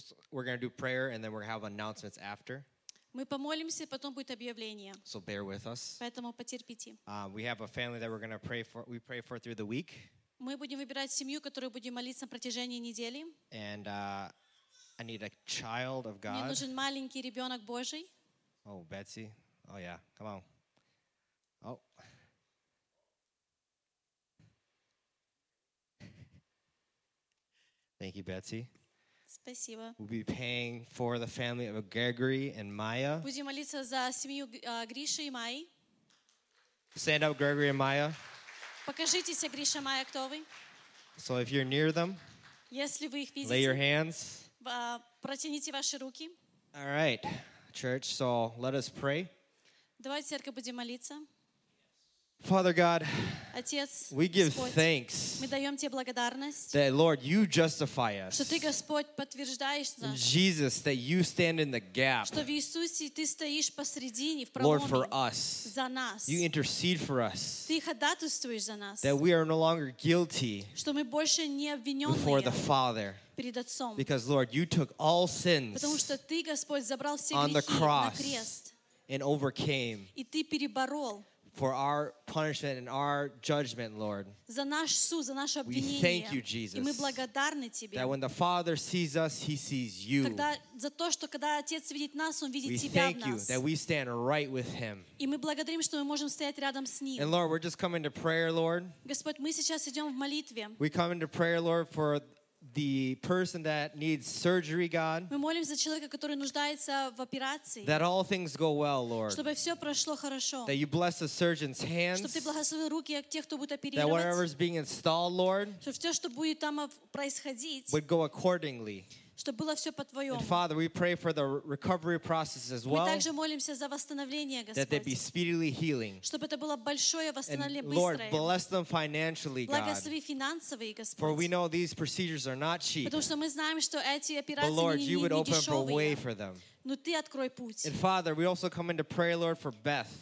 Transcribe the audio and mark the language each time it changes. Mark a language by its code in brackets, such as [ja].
[en] We're going to do prayer, and then we're going to have announcements after. [ru] Мы помолимся, потом будет объявление. [en] So bear with us. [ru] Поэтому потерпите. [en] We have a family that we're going to pray for. We pray for through the week. [ru] Мы будем выбирать семью, которую будем молиться на протяжении недели. [en] And I need a child of God. [ru] Мне нужен маленький ребенок Божий. [en] Oh, Betsy. Oh yeah, come on. Oh. Thank you, Betsy. [ru] Спасибо. [en] We'll be praying for the family of Gregory and Maya. [ru] Будем молиться за семью Гриши и Майи. [en] Stand up, Gregory and Maya. [ru] Покажитесь, Гриша, Майя, кто вы? [en] So if you're near them, [ru] если вы их видите, [en] lay your hands. [ru] Протяните ваши руки. [en] All right, church. So let us pray. [ru] Давайте, церковь, будем молиться. [en] Father God, [ru] Отец, [en] we give [ru] Господь, [en] thanks [ru] мы даем тебе благодарность, [en] that, Lord, you justify us. [ru] Что ты, Господь, подтверждаешь нас, [en] Jesus, that you stand in the gap, [ru] что в Иисусе ты стоишь посредине, в проломе, [en] Lord, for us. [ru] За нас. [en] You intercede for us. [ru] Ты ходатайствуешь за нас. [en] That we are no longer guilty, [ru] что мы больше не обвиненные [en] before the Father. [ru] Перед Отцом. [en] Because, Lord, you took all sins [ru] потому что ты, Господь, забрал все [en] on [ru] грехи [en] the cross [ru] на крест, [en] and overcame. [ru] И ты переборол. [en] for our punishment and our judgment, Lord. [ru] За наш суд, за наше обвинение. [en] We thank you, Jesus. [uk] І ми благодарні тобі. [en] That when the Father sees us, He sees you. [uk] Когда за то, що коли Отець видить нас, Він видить тебе в нас. [en] We thank you that we stand right with Him. [uk] І ми благодарим, що ми можемо стояти рядом з Ним. [en] And Lord, we're just coming to prayer, Lord. [uk] Господь, ми сейчас йдемо в молитві. [en] We come into prayer, Lord, for the person that needs surgery, God. [uk] Ми молимося за чоловіка, який нуждається в операції. [en] That all things go well, Lord. [uk] Щоб все пройшло хорошо. [en] That you bless the surgeon's hands. [uk] Щоб ти благословив руки тих, хто буде оперувати. [en] That whatever is being installed, Lord. [uk] Щоб все, що буде там відбуватись. [en] Would go accordingly. [uk] Щоб було все по твоєму. [en] Father, we pray for the recovery process as well. [uk] Ми також молимося за відновлення, Господь. [en] That there be speedy healing. [uk] Щоб це було велике відновлення, швидке. [en] Lord, bless them financially, God. [uk] Благослови фінансово, Господь. [en] For we know these procedures are not cheap. [uk] Тому що ми знаємо, що ці операції не дешеві. [en] But Lord, you would open up a way for them. [uk] Ну ти відкрий путь. [en] And Father, we also come into prayer, Lord, for Beth.